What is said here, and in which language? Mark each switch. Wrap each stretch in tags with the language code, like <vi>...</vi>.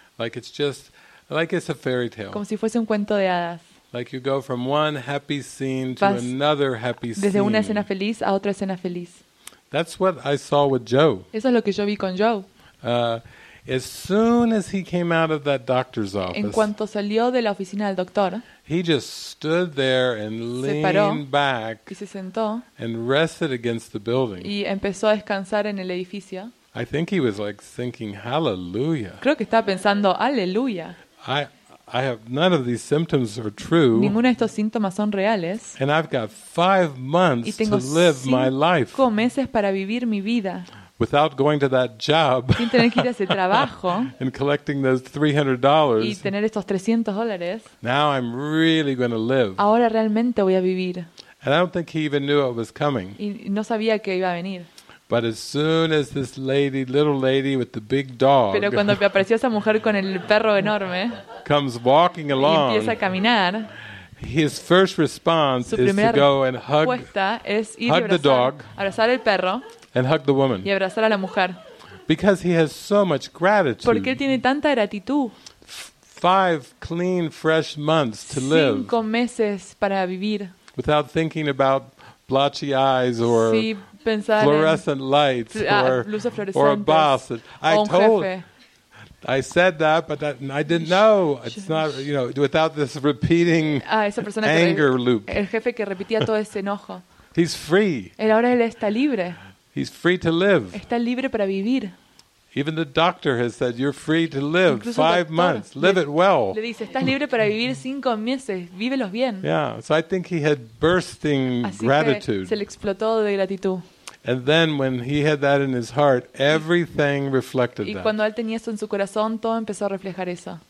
<en>Like it's just, like it's a fairy tale.</en> <es>Como si fuese un cuento de hadas.</es> <en>Like you go from one happy scene to another happy scene.</en> <es>Desde una escena feliz a otra escena feliz.</es> <en>That's what I saw with Joe.</en> <es>Eso es lo que yo vi con Joe.</es> <en>As soon as he came out of that doctor's office,</en> <es>en cuanto salió de la oficina del doctor,</es> <en>he just stood there and leaned</en> <es>se paró,</es> <en>back</en> <es>y se sentó,</es> <en>and rested against the building.</en> <es>Y empezó a descansar en el edificio.</es> <en>I think he was like thinking, "Hallelujah."</en> <es>Creo que estaba pensando, "Aleluya."</es> <en>I have none of these symptoms are true.</en> <es>Ninguno de estos síntomas son reales.</es> <en>And I've got 5 months to live my life.</en> <es>Y tengo 5 meses para vivir mi vida.</es> <en>Without going to that job,</en> <es>sin tener que ir a ese trabajo,</es> <en>and collecting those $300,</en> <es>y tener estos $300,</es> <en>now I'm really going to live.</en> <es>Ahora realmente voy a vivir.</es> <en>And I don't think he even knew it was coming.</en> <es>Y no sabía que iba a venir.</es> <en>But as soon as this lady, little lady with the big dog,</en> <es>pero cuando apareció esa mujer con el perro enorme,</es> <en>comes walking along,</en> <es>y empieza a caminar.</es> <en>His first response</en> <es>su primera</es> <en>is to go and hug,</en> <es>respuesta es ir</es> <en>hug</en> <es>y abrazar,</es> <en>the dog,</en> <es>abrazar el perro.</es> <en>And hug the woman.</en> <es>Y abrazar a la mujer.</es> <en>Because he has so much gratitude.</en> <es>Porque él tiene tanta gratitud.</es> <en>5 clean, fresh months to</en> <es>5 live. 5 meses para vivir.</es> <en>Without thinking about blotchy eyes or fluorescent lights or a boss. I told. I said that, but that, I didn't know. It's not, you know, without this repeating anger loop.</en> <es>El jefe que repetía todo ese enojo.</es> <en>He's free.</en> <es>Él ahora está libre.</es> <en>He's free to live.</en> <es>Está libre para vivir.</es> <en>Even the doctor has said you're free to live</en> <es>Incluso</es> <en>5 months. Live it well.</en> <es>Le dice, estás libre para vivir 5 meses. Vívelos bien.</es> <en>Yeah. So I think he had bursting</en> <es>Así</es> <en>gratitude.</en> <es>Se le explotó de gratitud.</es> <en>And then when he had that in his heart, everything reflected</en> <es>y</es> <en>that.</en> <es>Y cuando él tenía eso en su corazón, todo empezó a reflejar eso.</es>